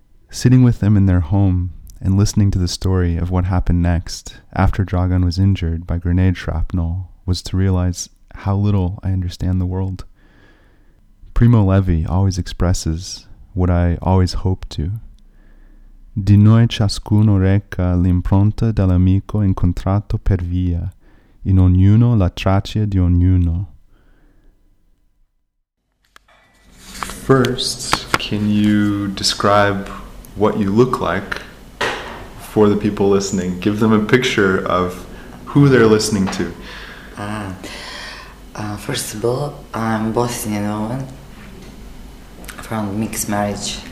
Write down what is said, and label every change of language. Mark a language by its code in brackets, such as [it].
[en] Sitting with them in their home and listening to the story of what happened next after Dragan was injured by grenade shrapnel was to realize how little I understand the world. Primo Levi always expresses what I always hope to. [it] Di noi ciascuno reca l'impronta dell'amico incontrato per via, in ognuno la traccia di ognuno. [en] First, can you describe what you look like for the people listening? Give them a picture of who they're listening to. First of all, I'm Bosnian woman from mixed marriage.